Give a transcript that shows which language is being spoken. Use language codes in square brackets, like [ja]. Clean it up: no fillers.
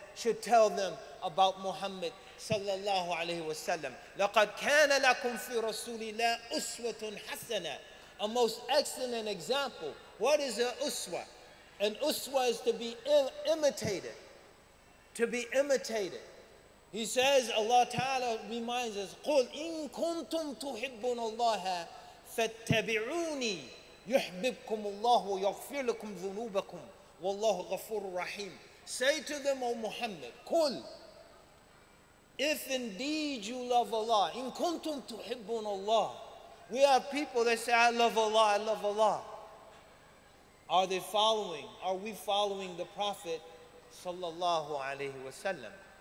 [en] should tell them about Muhammad sallallahu alayhi wa sallam. [ar] لَقَدْ كَانَ لَكُمْ فِي رَسُولِ اللَّهِ أُسْوَةٌ حَسَنًا. [en] A most excellent example. What is an uswa? An uswa is to be imitated. To be imitated. He says, Allah Ta'ala reminds us, [ar] قُلْ إِن كُنْتُمْ تُحِبُّونَ اللَّهَ فَاتَّبِعُونِي يُحْبِبْكُمُ اللَّهُ وَيَغْفِرْ لَكُمْ ذُنُوبَكُمْ وَاللَّهُ غَفُورٌ رَحِيمٌ. [en] Say to them, O Muhammad, قُلْ if indeed you love Allah, [ar] إِن كُنْتُمْ تُحِبُّونَ اللَّهَ. [en] We have people that say, I love Allah, I love Allah. Are they following? Are we following the Prophet sallallahu alayhi wa sallam?